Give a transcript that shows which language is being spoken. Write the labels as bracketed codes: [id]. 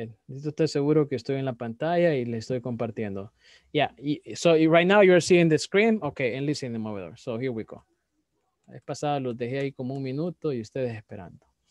[es] Estoy seguro que estoy en la pantalla y le estoy compartiendo. [en] Yeah, so right now you're seeing the screen. Okay, and listening to the monitor. So here we go. [es] He pasado, los dejé ahí como un minuto y ustedes esperando.